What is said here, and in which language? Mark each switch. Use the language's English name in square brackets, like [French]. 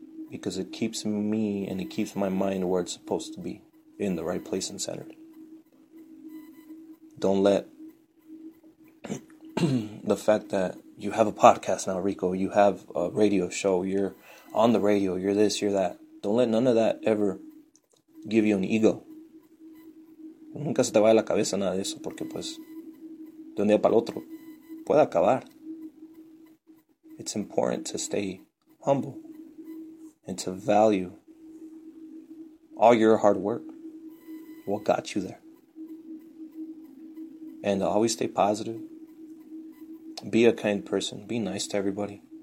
[English] Because it keeps me and it keeps my mind where it's supposed to be. In the right place and centered. Don't let the fact that you have a podcast now, Rico, you have a radio show, you're on the radio, you're this, you're that. Don't let none of that ever give you an ego. [Spanish] Nunca se te vaya la cabeza nada de eso, porque pues, de un día para el otro, puede acabar. [English] It's important to stay humble and to value all your hard work, what got you there. And always stay positive. Be a kind person. Be nice to everybody.